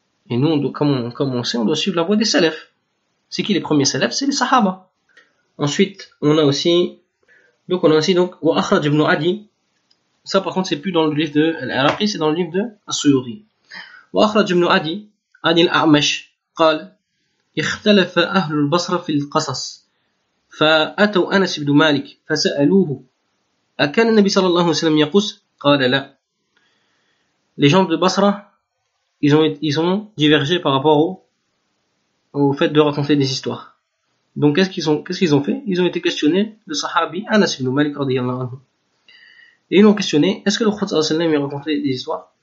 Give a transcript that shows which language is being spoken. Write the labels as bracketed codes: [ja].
[fr] Et nous, comme on sait, on doit suivre la voie des salafs. C'est qui les premiers salafs? C'est les sahaba. Ensuite, on a aussi [ar] wa akhraj ibn Adi. [fr] Ça, par contre, c'est plus dans le livre de l'Araqi, c'est dans le livre de As-Suyuti. [ar] Wa akhraj ibn Adi, Adi al-A'mash, قال, اختلف أهل البصرة في القصص. فأتوا أنس بن مالك فسألوه, أكان النبي صلى الله عليه وسلم يقص؟ قال لا. [fr] Les gens de Basra, ils ont divergé par rapport au fait de raconter des histoires. Donc, qu'est-ce qu'ils ont fait? Ils ont été questionnés de Sahabi, Anas ibn Malik, [ar] radiyallahu anhu. [fr] Et ils l'ont questionné, est-ce que le Prophète [ar] sallallahu alayhi wa sallam, [fr] il racontait des histoires?